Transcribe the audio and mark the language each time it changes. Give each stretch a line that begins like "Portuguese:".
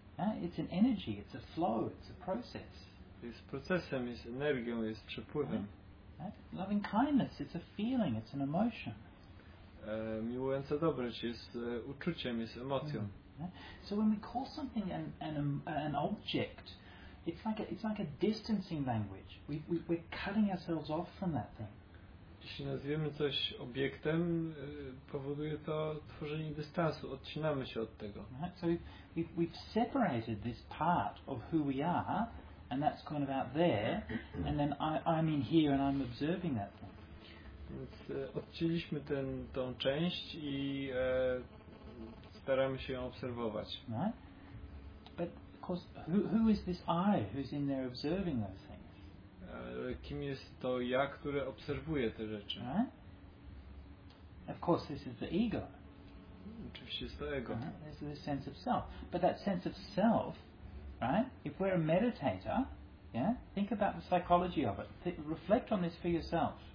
English: It's an energy, it's a flow, it's a process.
Polish: Jest procesem, jest energią, jest przepływem.
English: Right? Loving kindness, it's a feeling, it's an emotion.
Polish: Miłująca dobroć jest uczuciem, jest emocją.
English: So when we call something an object, it's like a distancing language. We're cutting ourselves off from that thing.
Polish: Jeśli nazwiemy coś obiektem, powoduje to tworzenie dystansu, odcinamy się od tego.
English: Right? So we've separated this part of who we are, and that's kind of out there, and then I'm in here and I'm observing that thing.
Polish: Więc odcięliśmy tą część i staramy się ją obserwować.
English: Right? But of course, who is this I who's in there observing those things?
Polish: Kim jest to ja, które obserwuje te rzeczy?
English: Right? Of course, this is the ego.
Polish: Oczywiście jest to ego.
English: Right? This is the sense of self. But that sense of self, right? If we're a meditator, yeah, think about the psychology of it. Reflect on this for yourself.